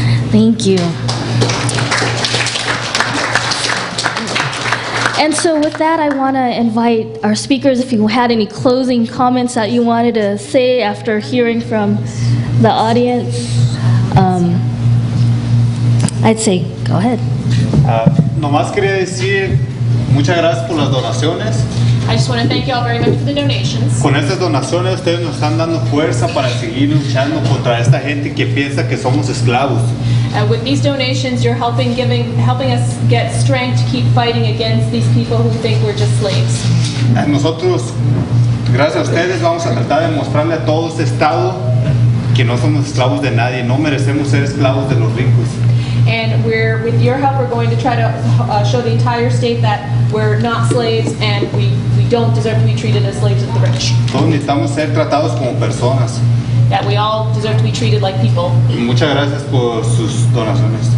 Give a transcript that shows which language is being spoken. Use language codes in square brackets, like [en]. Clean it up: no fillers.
[en] Thank you. And so with that, I want to invite our speakers, if you had any closing comments that you wanted to say after hearing from the audience. I'd say, go ahead. [es] Nomás quería decir muchas gracias por las donaciones. [en] I just want to thank you all very much for the donations. [es] Con estas donaciones ustedes nos están dando fuerza para seguir luchando contra esta gente que piensa que somos esclavos. [en] With these donations, you're helping us get strength to keep fighting against these people who think we're just slaves. [es] Nosotros, gracias a ustedes, vamos a tratar de mostrarle a todo este estado que no somos esclavos de nadie, no merecemos ser esclavos de los ricos. [en] And with your help, we're going to try to show the entire state that we're not slaves and we don't deserve to be treated as slaves of the rich. [es] Todos necesitamos ser tratados como personas. [en] That we all deserve to be treated like people. [es] Muchas gracias por sus donaciones.